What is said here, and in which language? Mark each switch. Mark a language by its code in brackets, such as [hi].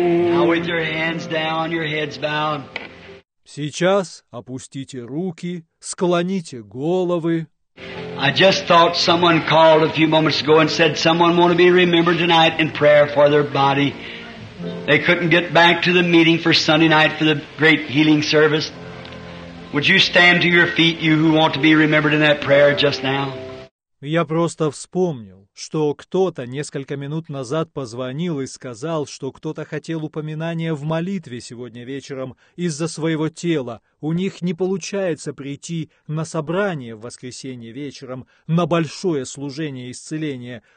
[en] Now with your hands down, your heads bowed. [ru] Сейчас опустите руки, склоните головы. [en] I just thought someone called a few moments ago and said someone want to be remembered tonight in prayer for their body. They couldn't get back to the meeting for Sunday night for the great healing service. Would you stand to your feet, you who want to be remembered in that prayer just now? [ru] Я просто вспомнил, что кто-то несколько минут назад позвонил и сказал, что кто-то хотел упоминания в молитве сегодня вечером из-за своего тела. У них не получается прийти на собрание в воскресенье вечером, на большое служение исцеления.